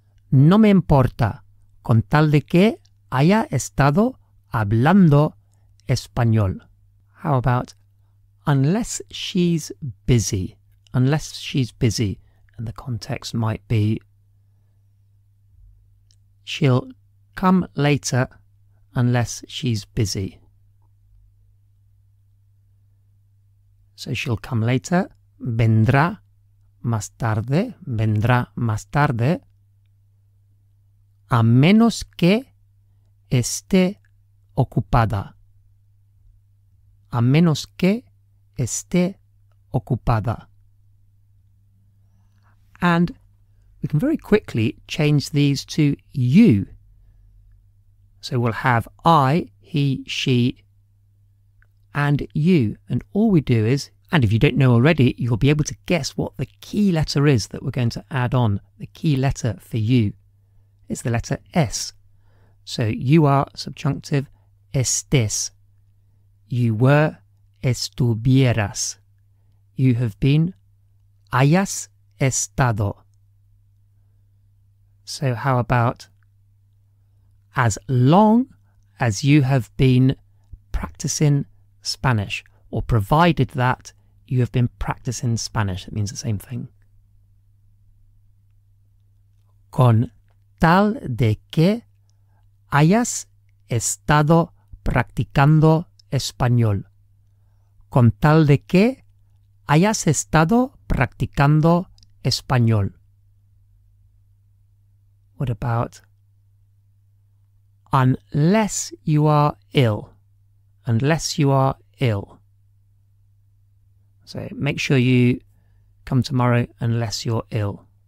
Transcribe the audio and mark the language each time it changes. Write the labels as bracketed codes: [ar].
[es] No me importa, con tal de que haya estado hablando español. [en] How about, unless she's busy, unless she's busy, and the context might be, she'll come later unless she's busy. So she'll come later, [es] vendrá más tarde, vendrá más tarde, a menos que esté ocupada, a menos que esté ocupada. [en] And we can very quickly change these to you. So we'll have I, he, she, and you. And all we do is, and if you don't know already, you'll be able to guess what the key letter is that we're going to add on. The key letter for you is the letter S. So you are subjunctive, estés. You were, estuvieras. You have been, [es] hayas estado. [en] So how about, as long as you have been practicing Spanish, or provided that you have been practicing Spanish, that means the same thing. [es] Con tal de que hayas estado practicando español. Con tal de que hayas estado practicando español. [en] What about, unless you are ill, unless you are ill. So make sure you come tomorrow unless you're ill.